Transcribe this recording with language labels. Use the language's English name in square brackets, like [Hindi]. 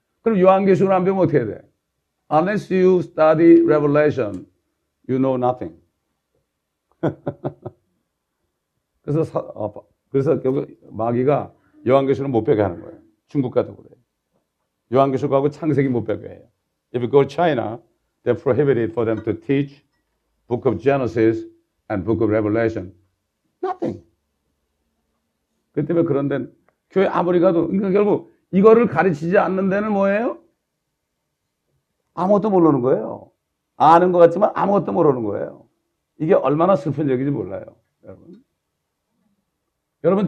[Korean] 그럼 요한계시록을 안 배우면 어떻게 해야 돼? [English] Unless you study Revelation, you know nothing. [Korean] 그래서 결국 마귀가 요한계시록 못 배게 하는 거예요. 중국 가도 그래요. 요한계시록하고 창세기 못 배게 해요. [English] If you go to China, they prohibited for them to teach Book of Genesis and Book of Revelation. Nothing. [Korean] 그 때문에 그런데 교회 아무리 가도 그러니까 결국 이거를 가르치지 않는 데는 뭐예요? 아무것도 모르는 거예요. 아는 것 같지만 아무것도 모르는 거예요. 이게 얼마나 슬픈 얘기인지 몰라요, 여러분.